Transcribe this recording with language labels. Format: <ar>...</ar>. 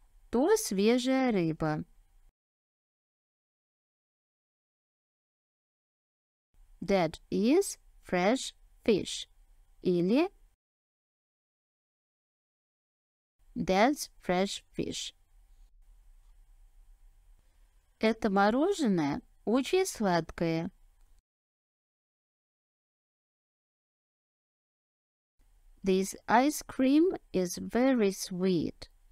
<ru>То свежая рыба.</ru> <en>That is fresh fish. Или that's fresh fish.</en> <ru>Это мороженое очень сладкое.</ru> <en>This ice cream is very sweet.</en>